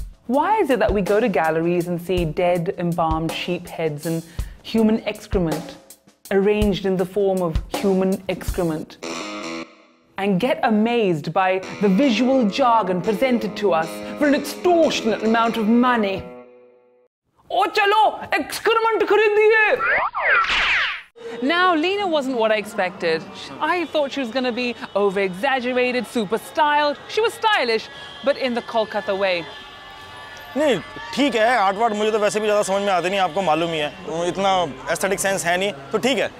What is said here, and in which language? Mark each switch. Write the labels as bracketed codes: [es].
[en] Why is it that we go to galleries and see dead, embalmed sheep heads and human excrement? arranged in the form of human excrement, and get amazed by the visual jargon presented to us for an extortionate amount of money. [hi] Oh, चलो, excrement खरीदिए! [en] Now, Lena wasn't what I expected. I thought she was going to be over-exaggerated, super styled. She was stylish, but in the Kolkata way. No, it's okay. Art Ward, I don't even understand you. You know, you don't have so much aesthetic sense. So, it's okay.